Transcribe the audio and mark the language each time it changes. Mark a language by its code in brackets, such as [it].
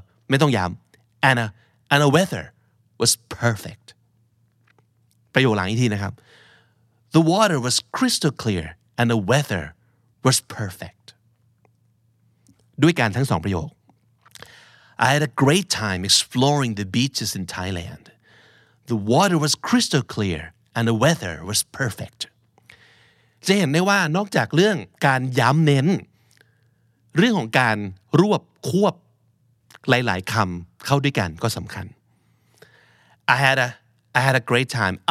[th] ไม่ต้องย้ำ [en] and the weather was perfect [th] ประโยคหลังอีกทีนะครับ [en] the water was crystal clear and the weather was perfect [th] ด้วยการทั้งสองประโยค [en] I had a great time exploring the beaches in Thailand. The water was crystal clear and the weather was perfect. [th] จะเห็นได้ว่านอกจากเรื่องการย้ำเน้นเรื่องของการรวบควบหลายๆคำเข้าด้วยกันก็สำคัญ [en] I had a great time.